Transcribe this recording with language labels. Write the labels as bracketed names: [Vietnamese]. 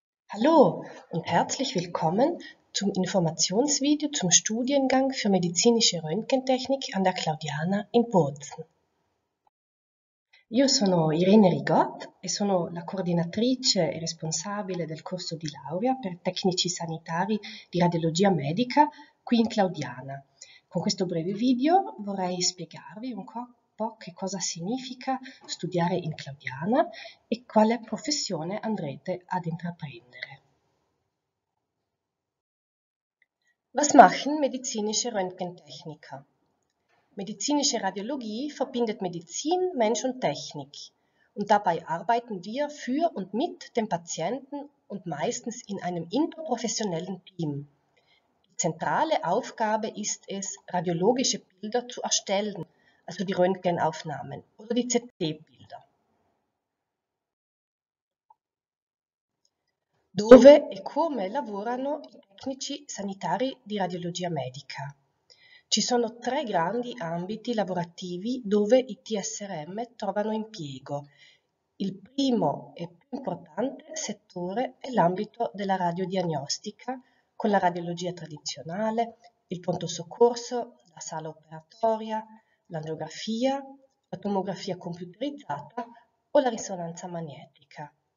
[German] Hallo und herzlich willkommen zum Informationsvideo zum Studiengang für medizinische Röntgentechnik an der Claudiana in Bozen. [Italian] Io sono Irene Rigott e sono la coordinatrice e responsabile del corso di laurea per tecnici sanitari di radiologia medica qui in Claudiana. Con questo breve video vorrei spiegarvi un po' che cosa significa studiare in Claudiana e quale professione andrete ad intraprendere. [German] Was machen medizinische Röntgentechniker? Medizinische Radiologie verbindet Medizin, Mensch und Technik. Und dabei arbeiten wir für und mit dem Patienten und meistens in einem interprofessionellen Team. Die zentrale Aufgabe ist es, radiologische Bilder zu erstellen, also die Röntgenaufnahmen oder die CT-Bilder. [Italian] Dove e come lavorano i tecnici sanitari di radiologia medica? Ci sono tre grandi ambiti lavorativi dove i TSRM trovano impiego. Il primo e più importante settore è l'ambito della radiodiagnostica, con la radiologia tradizionale, il pronto soccorso, la sala operatoria, l'angiografia, la tomografia computerizzata o la risonanza magnetica.